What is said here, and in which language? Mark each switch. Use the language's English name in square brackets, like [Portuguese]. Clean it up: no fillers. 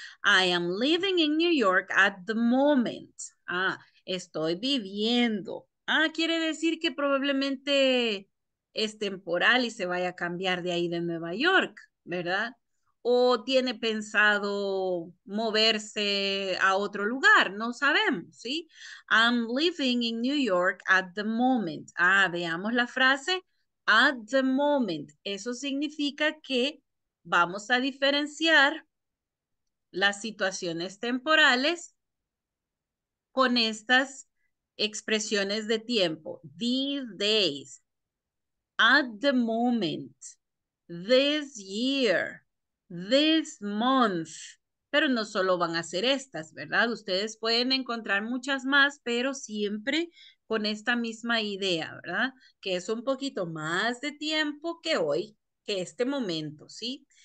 [English] I am living in New York at the moment. [Spanish] Ah, estoy viviendo. Ah, quiere decir que probablemente es temporal y se vaya a cambiar de ahí de Nueva York, ¿verdad? O tiene pensado moverse a otro lugar, no sabemos, ¿sí? [English] I'm living in New York at the moment. [Spanish] Ah, veamos la frase. [English] At the moment, [Spanish] eso significa que vamos a diferenciar las situaciones temporales con estas expresiones de tiempo. [English] These days, at the moment, this year, this month. [Spanish] Pero no solo van a ser estas, ¿verdad? Ustedes pueden encontrar muchas más, pero siempre con esta misma idea, ¿verdad? Que es un poquito más de tiempo que hoy, que este momento, ¿sí?